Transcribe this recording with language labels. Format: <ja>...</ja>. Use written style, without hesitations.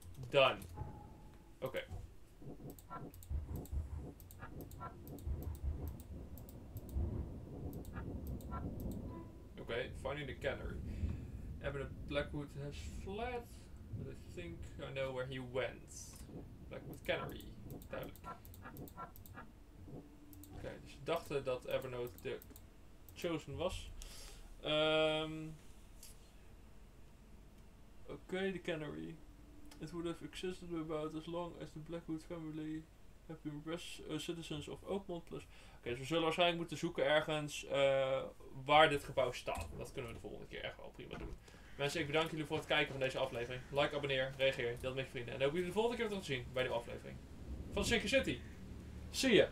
<en>Done.</en> <nl>Oké.</nl> <en>Okay.</en> <nl>Oké,</nl> <en>finding the canary. Abaddon Blackwood has fled, but I think I know where he went.</en> <nl>Blackwood Canary, duidelijk. Oké, dus ze dachten dat Evernote de Chosen was. Oké, de Canary.</nl> <en>It would have existed about as long as the Blackwood family have been citizens of Oakmont plus.</en> <nl>Oké, dus we zullen waarschijnlijk moeten zoeken ergens waar dit gebouw staat. Dat kunnen we de volgende keer echt wel prima doen. Mensen, ik bedank jullie voor het kijken van deze aflevering. Like, abonneer, reageer, deel het met je vrienden. En dan hoop ik jullie de volgende keer weer te zien bij de aflevering van Sinker City.</nl> <en>See ya!</en>